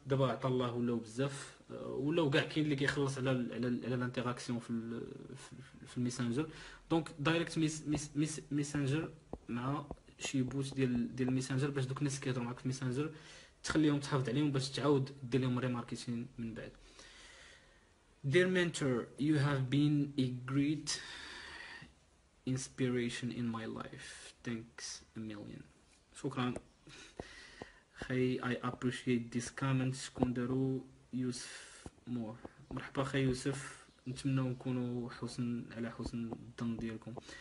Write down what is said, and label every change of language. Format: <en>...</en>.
<ar>دابا عطا الله ولاو بزاف، ولاو كاع كاين اللي كيخلص على الانتيراكسيون في الميسنجر. دونك دايركت ميسنجر مع شي بوت ديال الميسنجر، باش دوك الناس كيهضروا معاك في الميسنجر تخليهم تحافظ عليهم باش تعاود دير لهم ريماركتين من بعد.</ar> <en>Dear mentor, you have been a great inspiration in my life. Thanks a million. Shukran. Hey, I appreciate this comment.</en> <ar>Kunderu Yusuf more. مرحبا خي يوسف. نتمنى نكونوا حسن على حسن الظن ديالكم.</ar>